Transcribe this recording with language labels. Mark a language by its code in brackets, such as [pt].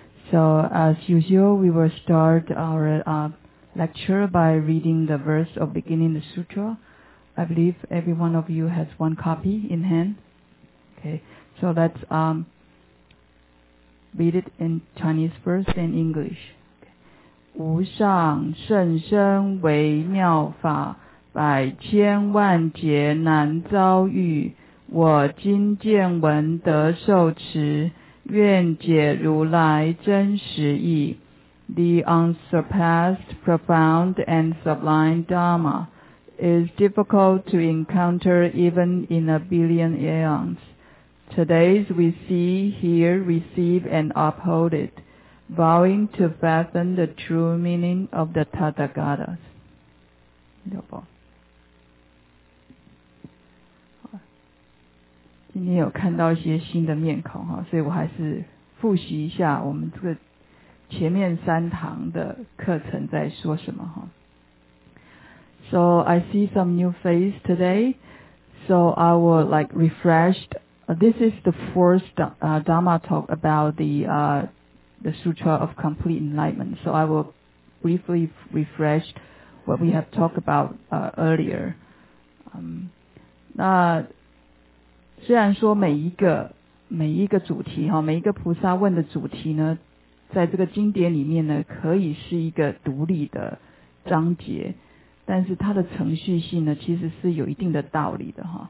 [en] So as usual, we will start our lecture by reading the verse of beginning the sutra. I believe every one of you has one copy in hand. Okay, so let's read it in Chinese first and English. [zh] 无上甚深微妙法。百千万劫难遭遇，我今见闻得受持，愿解如来真实义。 [en] The unsurpassed, profound and sublime Dharma is difficult to encounter even in a billion aeons. Today we see, hear, receive and uphold it, vowing to fathom the true meaning of the Tathagatas. [zh] 六宝今天有看到一些新的面孔，所以我还是复习一下我们这个前面三堂的课程在说什么。 [en] So I see some new face today, so I will like refreshed. This is the fourth Dharma talk about the Sutra of Complete Enlightenment, so I will briefly refresh what we have talked about earlier. [zh] 那虽然说每一个主题，每一个菩萨问的主题呢，在这个经典里面呢可以是一个独立的章节，但是它的程序性呢其实是有一定的道理的。